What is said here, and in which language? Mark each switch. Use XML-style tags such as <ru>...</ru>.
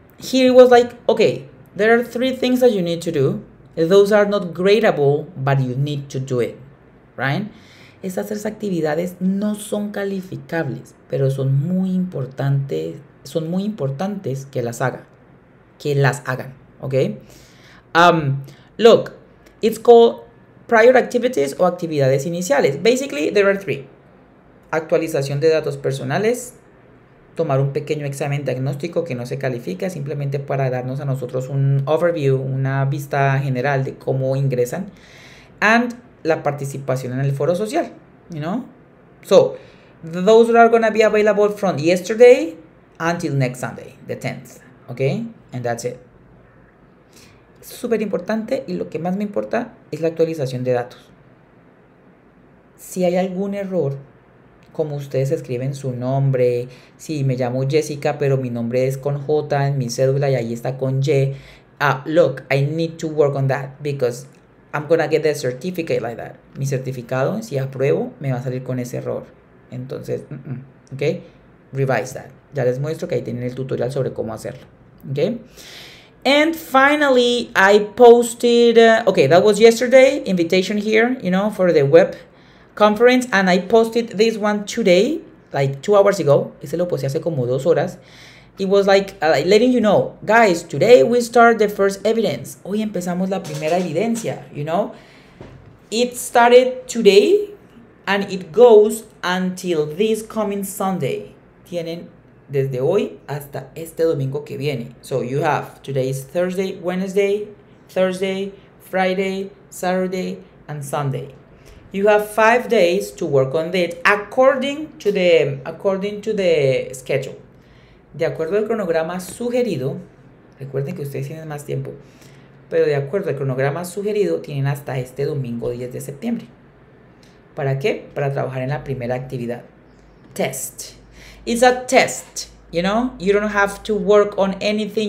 <en>Here it was like, okay, there are 3 things that you need to do. Those are not gradable, but you need to do it, right?</en> <es>Esas 3 actividades no son calificables, pero son muy importantes que las haga, que las hagan, okay?</es> <en>Look, it's called prior activities</en> <es>o actividades iniciales. Basically, there are 3. Actualización de datos personales, tomar un pequeño examen diagnóstico que no se califica, simplemente para darnos a nosotros un overview, una vista general de cómo ingresan, and la participación en el foro social,</es> <en>So, those are going to be available from yesterday until next Sunday, the 10th, okay? And that's it.</en> <es>Es súper importante y lo que más me importa es la actualización de datos. Si hay algún error, como ustedes escriben su nombre, si me llamo Jessica, pero mi nombre es con J en mi cédula y ahí está con Y.</es> <en>Look, I need to work on that because I'm going to get the certificate like that.</en> <es>Mi certificado, si apruebo, me va a salir con ese error. Entonces, ok, revise that. Ya les muestro que ahí tienen el tutorial sobre cómo hacerlo, ok.</es> <en>And finally, I posted, that was yesterday, invitation here, for the web conference, and I posted this one today, like 2 hours ago.</en> <es>Ese lo posté hace como 2 horas.</es> <en>It was like letting you know, guys, today we start the first evidence.</en> <es>Hoy empezamos la primera evidencia,</es> <en>It started today and it goes until this coming Sunday.</en> <es>Tienen desde hoy hasta este domingo que viene.</es> <en>So you have today is Thursday, Wednesday, Thursday, Friday, Saturday, and Sunday. You have 5 days to work on it according to the schedule.</en> <es>De acuerdo al cronograma sugerido, recuerden que ustedes tienen más tiempo, pero de acuerdo al cronograma sugerido, tienen hasta este domingo 10 de septiembre. ¿Para qué? Para trabajar en la primera actividad. Test.</es> <en>It's a test, You don't have to work on anything.</en>